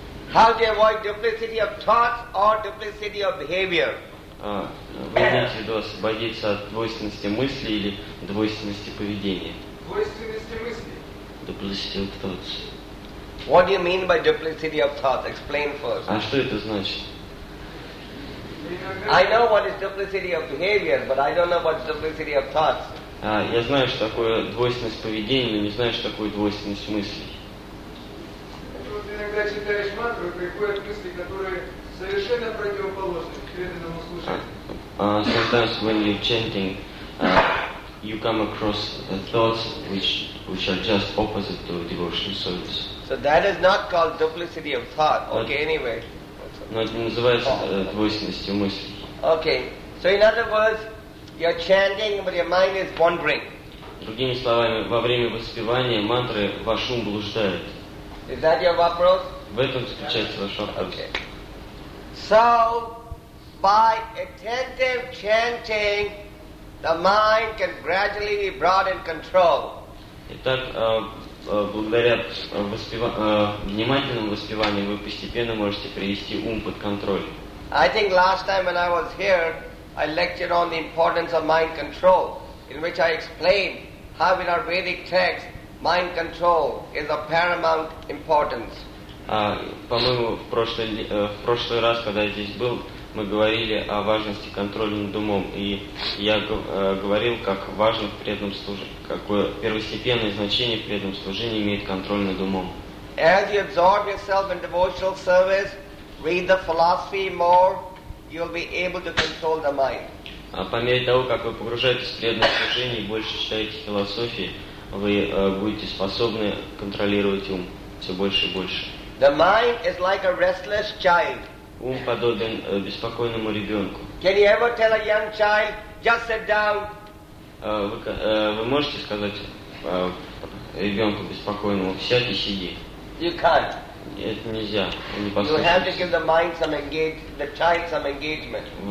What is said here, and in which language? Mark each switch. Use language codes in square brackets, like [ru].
[en] How to avoid duplicity of thoughts or duplicity of behavior? [ru] Вы имеете в виду освободиться от двойственности мыслей или двойственности поведения? Двойственности мыслей. [en] Duplicity of thoughts. What do you mean by duplicity of thoughts? Explain first. [ru] А что это значит? [en] I know what is duplicity of behavior, but I don't know what is duplicity of thoughts. [ru] Я знаю, что такое двойственность поведения, но не знаю, что такое двойственность мыслей. Иногда читаешь мантру, приходят мысли, которые совершенно противоположны к преданному слушанию. [en] Sometimes when you're chanting, you come across thoughts which are just opposite to devotional service. So that is not called duplicity of thought. Okay, anyway. [ru] Но это называется двойственностью мысли. [en] Okay. So in other words, you're chanting, but your mind is wandering. [ru] Другими словами, во время воспевания мантры ваш ум блуждает. [en] Is that your [ru] вопрос? В этом заключается ваш вопрос. [en] Okay. So by attentive chanting, the mind can gradually be brought in control. [ru] Итак, благодаря внимательному воспеванию вы постепенно можете привести ум под контроль. [en] I think last time when I was here, I lectured on the importance of mind control, in which I explained how in our Vedic texts, mind control is of paramount importance. [ru] По-моему, в прошлый раз, когда я здесь был, мы говорили о важности контроля над умом, и я говорил, как важно в преданном служении, какое первостепенное значение в преданном служении имеет контроль над умом. [en] As you absorb yourself in devotional service, read the philosophy more, you'll be able to control the mind. [ru] По мере того, как вы погружаетесь в преданное служение и больше читаете философии, вы будете способны контролировать ум все больше и больше. [en] The mind is like a restless child. [ru] Ум подобен беспокойному ребенку. [en] Can you ever tell a young child, just sit down? [ru] Вы можете сказать ребенку беспокойному, сядь и сиди? [en] You can't. [ru] Это нельзя, не послушайтесь. [en] You have to give the mind some engage, the child some engagement.